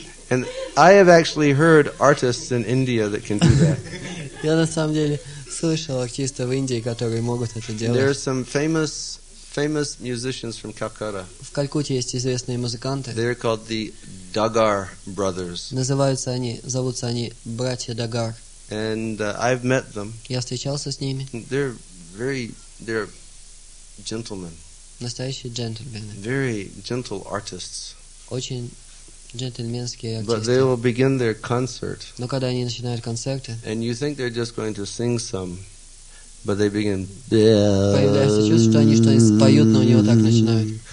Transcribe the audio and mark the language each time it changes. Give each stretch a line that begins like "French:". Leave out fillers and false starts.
English: And I have actually heard artists in India that can do that.
Russian: Я на самом деле слышал артистов в Индии, которые могут это делать.
English: There are some famous musicians from Calcutta.
Russian: В Калькутте есть известные музыканты.
English: They are called the Dagar brothers.
Russian: Зовутся они братья Дагар.
English: And I've met them.
Russian: Я встречался с ними.
English: They're gentlemen.
Russian: Настоящие джентльмены.
English: Very gentle artists.
Russian: Очень джентльменские артисты.
English: But they will begin their concert.
Russian: Но когда они начинают концерты,
English: and you think they're just going to sing some, but they begin.
Russian: Появляется чувство, что они что-нибудь споют, но у него так начинают.